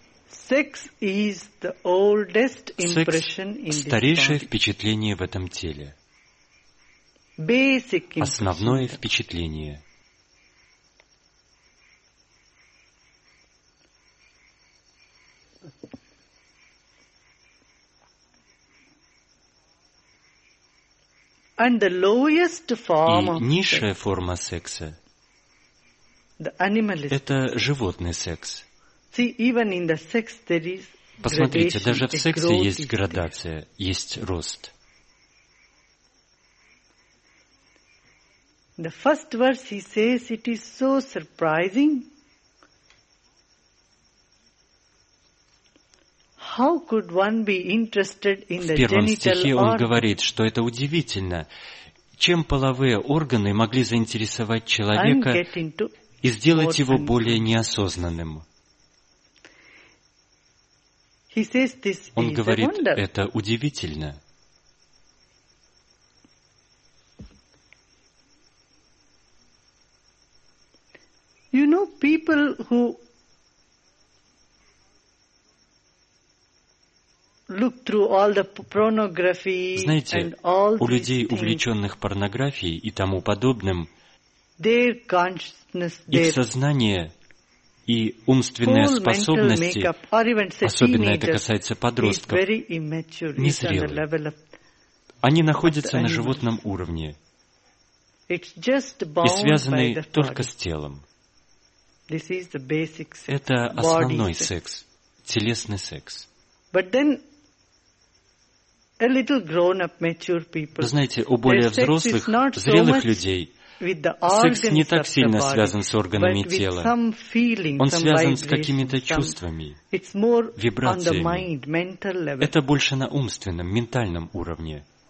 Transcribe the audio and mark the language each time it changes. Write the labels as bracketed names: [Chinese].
[English] Секс is the oldest impression in this body. [Russian] Старейшее впечатление в этом теле. [English] Basic impression. [Russian] Основное впечатление. [English] And the lowest form of sex. [Russian] И низшая форма секса. [English] The animalistic. [Russian] Это животный секс. [English] See, even in the sex there is gradation. [Russian] Посмотрите, даже в сексе есть градация, есть рост. [English] The first verse he says it is so surprising. How could one be interested in the genital organs? [Russian] В первом стихе он говорит, что это удивительно, чем половые органы могли заинтересовать человека и сделать его более неосознанным. [English] He says this [Russian] Он говорит, это удивительно. [English] You know, people who look through all the pornography [Russian] Знаете, [English] and all [Russian] у людей, увлеченных порнографией и тому подобным, [English] their consciousness, [Russian] их сознание и умственные способности, особенно это касается подростков, незрелые. Они находятся на животном уровне и связаны только с телом. [English] This is the basic sex. [Russian] Это основной секс, телесный секс. [English] But then a little grown up mature people. [Russian] Вы знаете, у более взрослых, зрелых людей секс не так сильно связан с органами тела. Он связан с какими-то чувствами, вибрациями. Это больше на умственном, ментальном уровне.